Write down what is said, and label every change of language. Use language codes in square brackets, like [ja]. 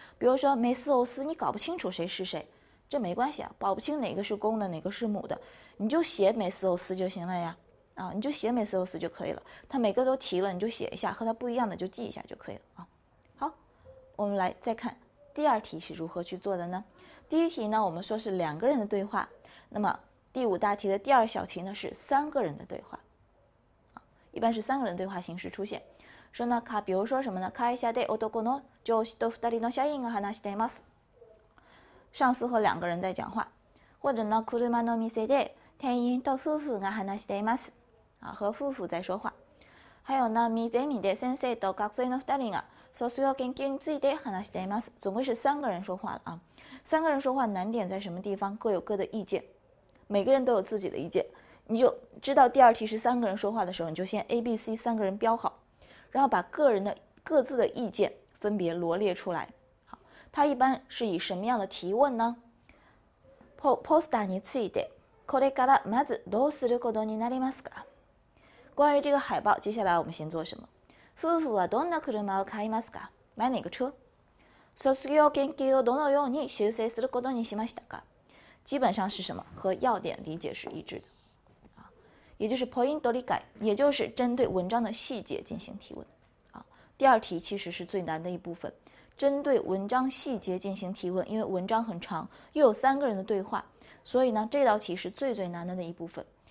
[zh] 比如说梅斯欧斯，你搞不清楚谁是谁。这没关系啊，保不清哪个是公的哪个是母的，你就写美斯欧斯就行了呀，啊，你就写美斯欧斯就可以了，他每个都提了你就写一下，和他不一样的就记一下就可以了啊。好，我们来再看第二题是如何去做的呢？第一题呢，我们说是两个人的对话，那么第五大题的第二小题呢是三个人的对话，啊，一般是三个人对话形式出现。说呢，比如说什么呢？ [ja] 会社で男の上司と二人の社員が話しています， [zh] 上司和两个人在讲话，或者呢， [ja] 車の店で店員と夫婦が話しています， [zh] 啊，和夫婦在说话。还有呢， [ja] ゼミで先生と学生の二人が卒業研究について話しています。 [zh] 总归是三个人说话了啊。三个人说话难点在什么地方？各有各的意见，每个人都有自己的意见。你就知道第二题是三个人说话的时候，你就先 A、B、C 三个人标好，然后把个人的各自的意见分别罗列出来。他一般是以什么样的提问呢？ [ja] ポスターについて、これからまずどうすることになりますか？ [zh] 关于这个海报，接下来我们先做什么？ [ja] 夫婦はどんな車を買いますか？ [zh] 买哪个车？ [ja] 卒業研究をどのように修正することにしましたか？ [zh] 基本上是什么？和要点理解是一致的，也就是ポイント理解，也就是针对文章的细节进行提问。第二题其实是最难的一部分。针对文章细节进行提问，因为文章很长，又有三个人的对话，所以呢，这道题是最最难的那一部分。